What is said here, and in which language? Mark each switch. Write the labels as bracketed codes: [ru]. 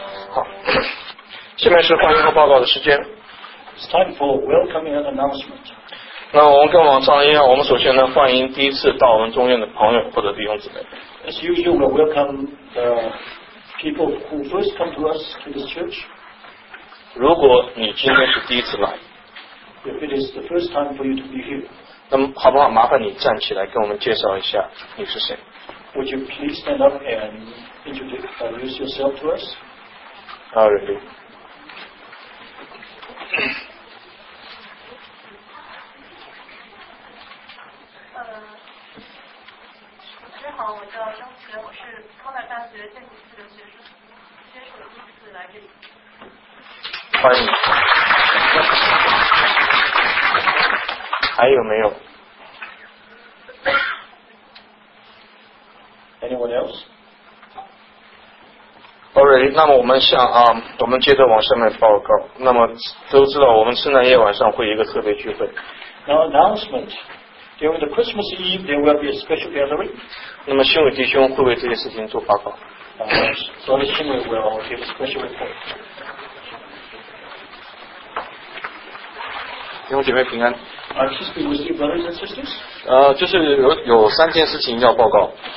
[zh] 好，下面是欢迎和报告的时间。 [en] It's time for welcoming and announcement. [zh] 那我们跟往常一样，我们首先呢欢迎第一次到我们中院的朋友或者弟兄姊妹。 [en] As usual, we welcome the people who first come to us to this church. [zh] 如果你今天是第一次来 [en] ，If it is the first time for you to be here, [zh] 那么好不好？麻烦你站起来跟我们介绍一下你是谁。 [en] Would you please stand up and introduce yourself to us? Oh, really? [zh] 老师好，我叫张琪，我是康乃大学建筑系的学生，今天是我第一次来这里。欢迎。还有没有 [en] ？Anyone else? [zh] Alright, 那么我们向啊，我们接着往下面报告。那么都知道，我们圣诞夜晚上会有一个特别聚会。 [en] Now announcement, during the Christmas Eve there will be a special gathering. [zh] 那么新伟弟兄会为这件事情做报告。 [en] So the 新伟 will give a special report. [zh] 弟兄姐妹平安。 [en] Please be with you, brothers and sisters. [zh] 就是有三件事情要报告。